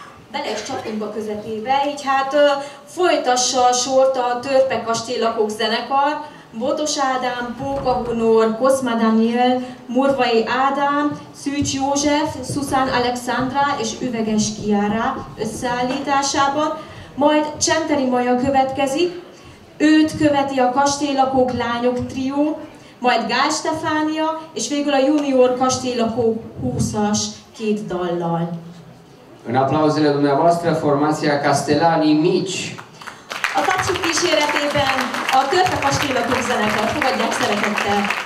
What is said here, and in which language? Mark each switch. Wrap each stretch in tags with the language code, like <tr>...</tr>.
<hu>Bele is csapunk a közepébe, így hát folytassa a sort a Törpe Kastély Lakók zenekar, Botos Ádám, Póka Hunor, Kozma Daniel, Murvai Ádám, Szűcs József, Susan Alexandra és Üveges Kiára összeállításában, majd Centeri Maja következik, őt követi a Kastély Lakók Lányok trió, majd Gál Stefánia és végül a Junior Kastély Lakók 20-as két dallal.</hu> <ro>În aplauzele dumneavoastră, formația Castelanii Mici.</ro> <hu>A tatsuk kíséretében a Törpe Kastély Lakók zenekar, fogadják szeretettel.</hu>